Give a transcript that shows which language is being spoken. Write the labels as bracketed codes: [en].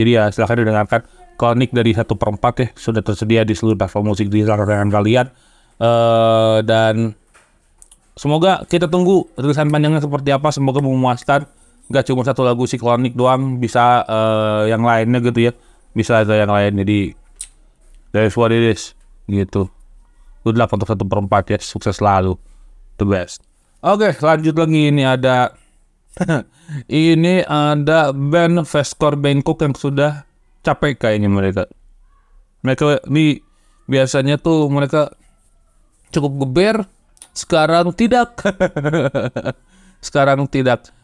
[id] Jadi ya silahkan didengarkan Klonik dari 1/4 ya, sudah tersedia di seluruh platform musik di saluran kalian. Dan semoga, kita tunggu rilisan panjangnya seperti apa, semoga memuaskan. Gak cuma satu lagu si Klonik doang, bisa yang lainnya gitu ya, bisa ada yang lain. [en] Jadi that's what it is gitu. Good luck [id] untuk 1/4 ya, sukses selalu, [en] the best. [id] Oke, lanjut lagi. Ini ada ini ada band Vescor Bangkok yang sudah capek kayaknya mereka. Mereka ini biasanya tuh mereka cukup geber, sekarang tidak. Sekarang tidak.